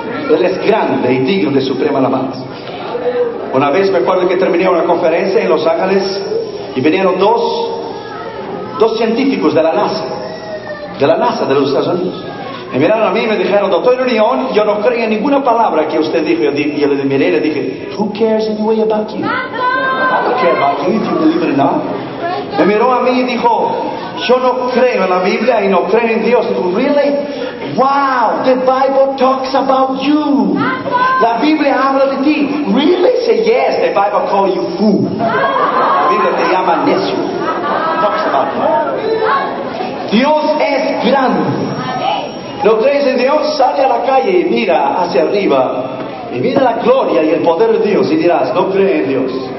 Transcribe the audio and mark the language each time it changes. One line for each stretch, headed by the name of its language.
Spanish: Él es grande y digno de suprema alabanza. Una vez me acuerdo que terminé una conferencia en Los Ángeles y vinieron dos científicos de la NASA de los Estados Unidos. Y miraron a mí y me dijeron, doctor Unión, yo no creo en ninguna palabra que usted dijo. Y yo le miré y le dije,
English: who cares anyway about you? I don't care about you if you believe it or not.
Spanish: Me miró a mí y dijo, yo no creo en la Biblia y no creo en Dios. Dijo,
English: really? Wow, the Bible talks about you.
Spanish: La Biblia habla de ti.
English: Really? Say yes, the Bible calls you fool.
Spanish: La Biblia te llama necio.
English: Talks about you.
Spanish: Dios es grande. ¿No crees en Dios? Sale a la calle y mira hacia arriba. Y mira la gloria y el poder de Dios y dirás, no cree en Dios.